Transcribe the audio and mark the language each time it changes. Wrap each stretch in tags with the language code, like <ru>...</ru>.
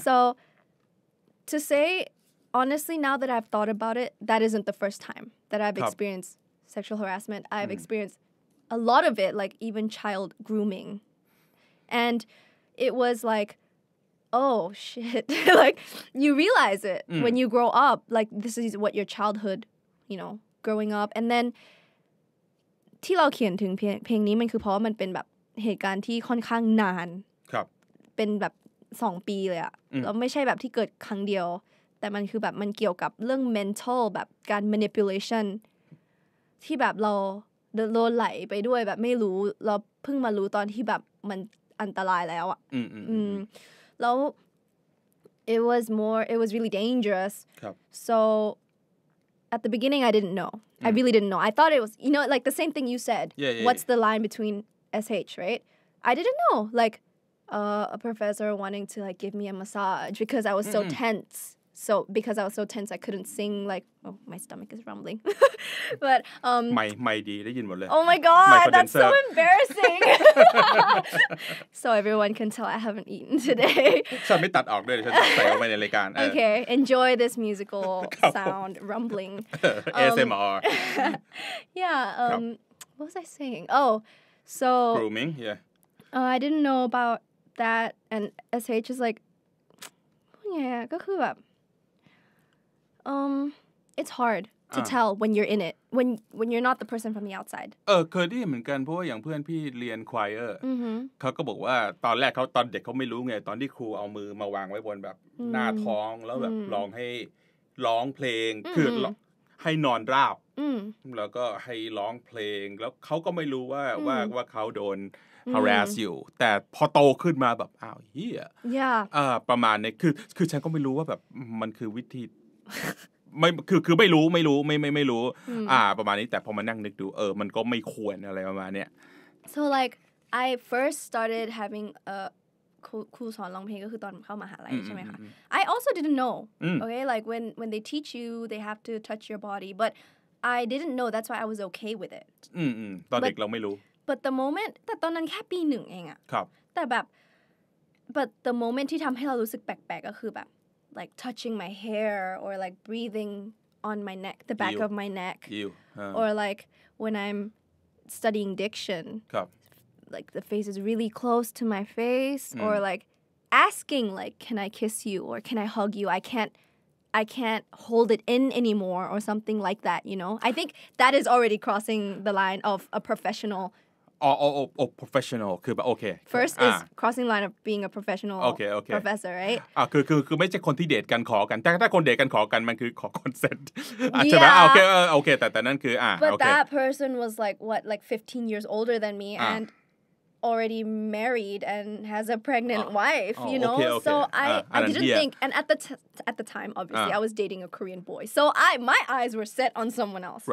<en>so to say honestly now that I've thought about it that isn't the first time that I've experienced sexual harassment I've experienced a lot of it like even child grooming and it was likeOh shit! like you realize it when you grow up. Like this is what your childhood, you know, growing up. And then,</en> <th>ที่เราเขียนถึงเพลงนี้มันคือเพราะมันเป็นแบบเหตุการณ์ที่ค่อนข้างนาน ครับ เป็นแบบ2ปีเลยอะแล้วไม่ใช่แบบที่เกิดครั้งเดียวแต่มันคือแบบมันเกี่ยวกับเรื่อง mental แบบการ manipulation ที่แบบเราโดนไหลไปด้วยแบบไม่รู้เราเพิ่งมารู้ตอนที่แบบมันอันตรายแล้วอะ</th> <en>แล้ว it was really dangerous so at the beginning I didn't know I really didn't know I thought it was you know like the same thing you said what's the line between SH right I didn't know like a professor wanting to like give me a massage because I was so tense so because I was so tense I couldn't sing like oh my stomach is rumbling but</en> <th>my ดีได้ยินหมดเลย</th> <en>oh my god my that's so embarrassing so everyone can tell I haven't eaten today</en> <th>ฉันไม่ตัดออกด้วยฉันใส่ไว้ในรายการ</th> <en>okay enjoy this musical sound rumbling ASMR yeah what was I saying oh so grooming yeah I didn't know about that and SH is like yeah ก็คือแบบit's hard to tell when you're in it when you're not the person from the outside</en> <th>เคยได้ยินเหมือนกันเพราะว่าอย่างเพื่อนพี่เรียนควายเขาก็บอกว่าตอนแรกเขาตอนเด็กเขาไม่รู้ไงตอนที่ครูเอามือมาวางไว้บนแบบหน้าท้องแล้วแบบร้องให้ร้องเพลงคือให้นอนราบแล้วก็ให้ร้องเพลงแล้วเขาก็ไม่รู้ว่าเขาโดนharass you แต่พอโตขึ้นมาแบบอ้าวเหี้ย ประมาณนี้คือฉันก็ไม่รู้ว่าแบบมันคือวิธีไม่คือไม่รู้ไม่รู้ประมาณนี้แต่พอมานั่งนึกดูมันก็ไม่ควรอะไรประมาณเนี้ย</th> <en>so like I first started having a</en> <th>ครูสอนร้องเพลงก็คือตอนเข้ามหาลัยใช่ไหมคะ</th> <en>I also didn't know okay like when they teach you they have to touch your body but I didn't know that's why I was okay with it</en> <th>ตอนเด็กเราไม่รู้</th> <en>but the moment</en> <th>แต่ตอนนั้นแค่ปีหนึ่งเองอะ ครับ</th> <en>แต่แบบ but the moment</en> <th>ที่ทำให้เรารู้สึกแปลกๆก็คือแบบ</th> <en>like touching my hair or like breathing on my neck the back of my neck or like when I'm studying diction</en> <th>ครับ</th> <en>Like the face is really close to my face, or like asking, like, can I kiss you or can I hug you? I can't hold it in anymore or something like that. You know, I think that is already crossing the line of a professional. Oh, professional. Okay. First is crossing line of being a professional. Okay, okay. Professor, right?</en> <th>คือไม่ใช่คนที่เดทกันขอกันแต่ถ้าคนเดทกันขอกันมันคือขอ consent.</th> <en>Yeah.</en> <th>Okay. แต่นั่นคือ</th> <en>But that person was like what, like 15 years older than me and. Already married and has a pregnant wife, you know. Okay. So I didn't think. And at the time, obviously, I was dating a Korean boy. So my eyes were set on someone else.</en>